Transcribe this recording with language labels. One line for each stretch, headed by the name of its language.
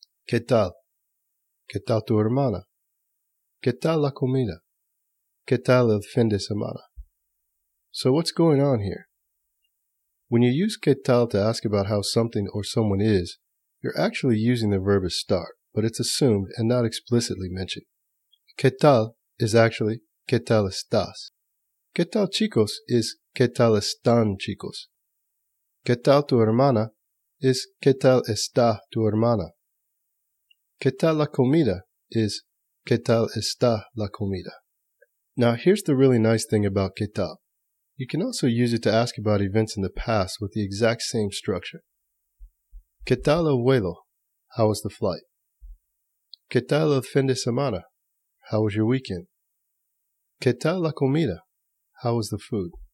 Spanish: ¿Qué tal? ¿Qué tal tu hermana? ¿Qué tal la comida? ¿Qué tal el fin de semana?
English: So what's going on here? When you use ¿qué tal to ask about how something or someone is, you're actually using the verb estar, but it's assumed and not explicitly mentioned.
Spanish: ¿Qué tal
English: is actually
Spanish: ¿qué tal estás? ¿Qué tal chicos is ¿qué tal están chicos? ¿Qué tal tu hermana is ¿qué tal está tu hermana? ¿Qué tal la comida is ¿qué tal está la comida?
English: Now here's the really nice thing about ¿qué tal. You can also use it to ask about events in the past with the exact same structure.
Spanish: ¿Qué tal el vuelo?
English: How was the flight?
Spanish: ¿Qué tal el fin de semana?
English: How was your weekend?
Spanish: ¿Qué tal la comida?
English: How was the food?